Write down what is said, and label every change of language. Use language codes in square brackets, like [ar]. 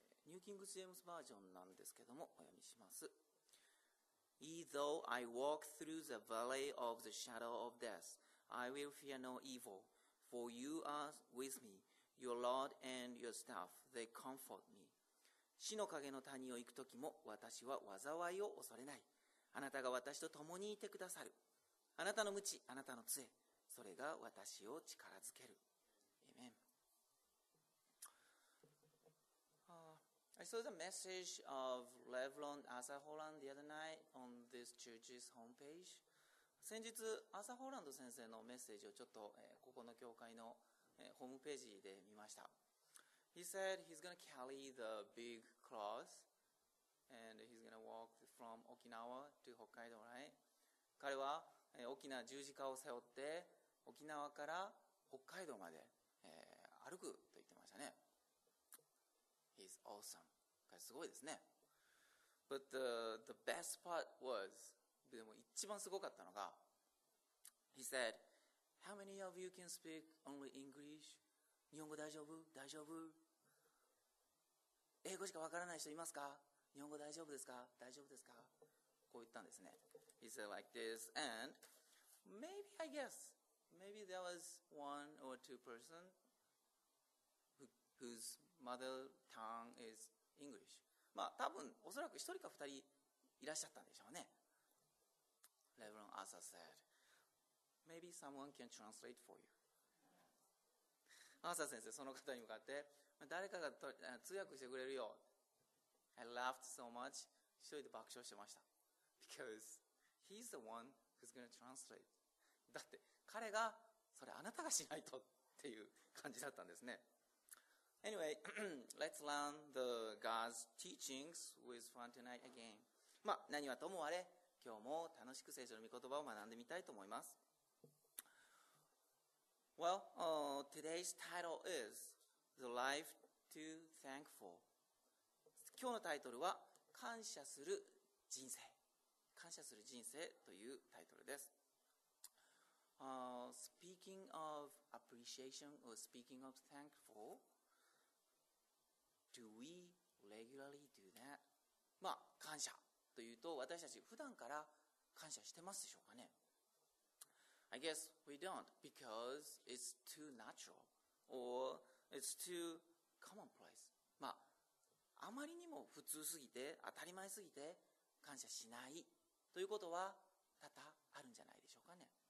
[ja] ニューキングジェームズバージョンなんですけども、お読みします。 [en] Even though I walk through the valley of the shadow of death, I will fear no evil. For you are with me, your Lord and your staff, they comfort me. [ja] 死の影の谷を行くときも私は災いを恐れない。あなたが私と共にいてくださる。あなたの鞭、あなたの杖、それが私を力づける。 [en] Amen. I saw the message of Revlon Asa Holland the other night on this church's homepage. [ja] 先日アーサー・ホーランド先生のメッセージをちょっと、ここの教会の、ホームページで見ました。 [en] He said he's going to carry the big cross and he's going to walk from Okinawa to Hokkaido, right? [ja] 彼は、大きな十字架を背負って沖縄から北海道まで、歩くと言ってましたね。 [en] He's awesome. [ja] 彼すごいですね。 [en] But the best part was [ja] でも一番すごかったのが、 [en] He said, How many of you can speak only English? [ja] 日本語大丈夫?大丈夫? 英語しかわからない人いますか? 日本語大丈夫ですか?大丈夫ですか?こう言ったんですね。 [en] He said like this, and maybe, I guess, maybe there was one or two person whose mother tongue is English. [ja] まあ多分、おそらく一人か二人いらっしゃったんでしょうね。 [en] Reverend Arthur said, Maybe someone can translate for you. [ja] Arthur 先生、その方に向かって、誰かが通訳してくれるよ。 [en] I laughed so much. [ja] 一人で爆笑してました。 [en] Because he's the one who's going to translate. [ja] だって、彼が、それあなたがしないとっていう感じだったんですね。 [en] Anyway, let's learn the God's teachings with fun tonight again. [ja] まあ、何はともあれ、今日も楽しく聖書の御言葉を学んでみたいと思います。 [en] Well, today's title is The Life to Thank For. [ja] 今日のタイトルは感謝する人生。感謝する人生というタイトルです。 [en] Speaking of appreciation or speaking of thankful, do we regularly do that? [ja] まあ、感謝。というと私たち普段から感謝してますでしょうかね。 [en] I guess we don't because it's too natural or it's too commonplace. [ja] まああまりにも普通すぎて当たり前すぎて感謝しないということは多々あるんじゃないでしょうかね。